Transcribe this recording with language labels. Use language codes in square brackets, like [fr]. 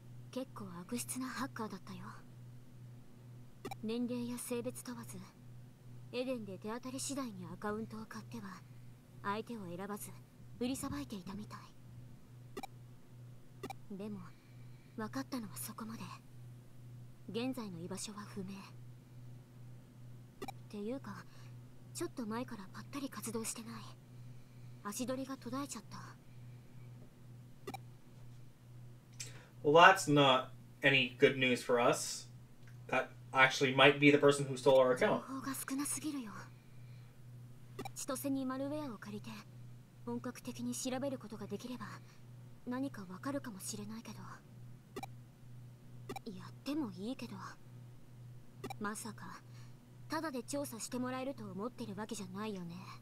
[ja] 結構悪質なハッカーだったよ。年齢や性別問わず、エデンで手当たり次第にアカウントを買っては相手を選ばず売りさばいていたみたい。でも分かったのはそこまで。現在の居場所は不明。っていうか、ちょっと前からパッタリ活動してない。足取りが途絶えちゃった。 [en] Well, that's not any good news for us. That actually might be the person who stole our account. [ja] 情報が少なすぎるよ。千歳にマルウェアを借りて、本格的に調べることができれば、何かわかるかもしれないけど。やってもいいけど。まさか、ただで調査してもらえると思ってるわけじゃないよね。